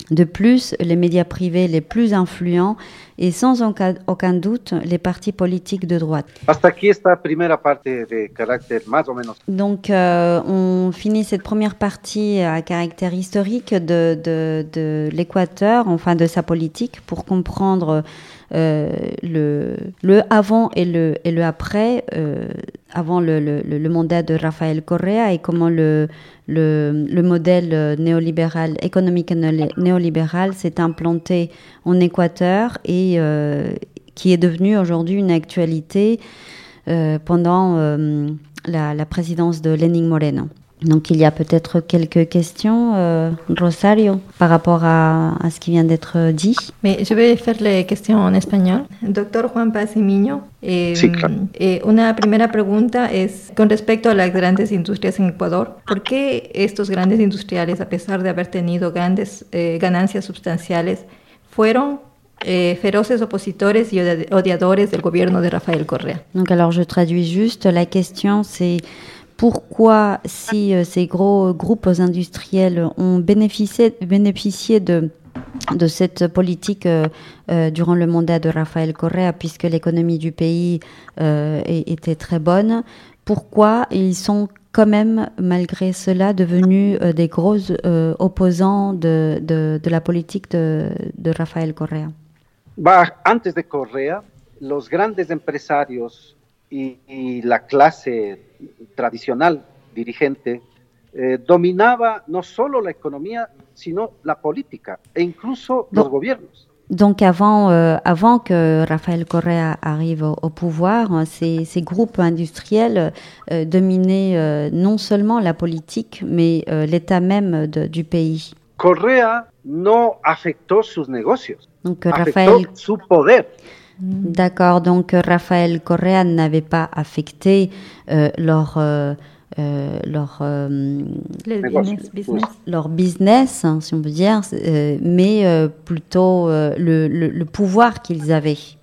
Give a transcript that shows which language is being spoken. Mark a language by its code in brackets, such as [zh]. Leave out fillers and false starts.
[fr] De plus, les médias privés les plus influents et sans aucun doute, les partis politiques de droite. [es] Hasta aquí esta primera parte de carácter, más o menos. [fr] Donc, on finit cette première partie à caractère historique de l'Équateur, enfin de sa politique, pour comprendre le avant et le après, avant le mandat de Rafael Correa et comment le modèle néolibéral, économique néolibéral s'est implanté en Équateur et qui est devenu aujourd'hui une actualité pendant la présidence de Lénine Moreno. Donc il y a peut-être quelques questions, Rosario, par rapport à ce qui vient d'être dit. Mais je vais faire les questions en espagnol. [es] Docteur Juan Paz y Miño, una primera pregunta es con respecto a las grandes industrias en Ecuador. ¿Por qué estos grandes industriales, a pesar de haber tenido grandes ganancias sustanciales, fueron feroces opositores y odiadores del gobierno de Rafael Correa? [fr] Donc alors je traduis juste, la question c'est: pourquoi, si ces gros groupes industriels ont bénéficié de cette politique durant le mandat de Rafael Correa, puisque l'économie du pays était très bonne, pourquoi ils sont quand même, malgré cela, devenus des gros opposants de la politique de Rafael Correa? [es] Bah, antes de Correa, los grandes empresarios y la clase tradicional dirigente dominaba no solo la economía sino la política e incluso los gobiernos. [fr] Donc avant que Rafael Correa arrive au pouvoir, ces groupes industriels dominaient non seulement la politique mais l'état même du pays. [es] Correa no afectó sus negocios. [fr] Donc [es] Rafael su poder. [fr] D'accord, donc Rafael Correa n'avait pas affecté leur business, hein, si on peut dire, mais plutôt le pouvoir qu'ils avaient.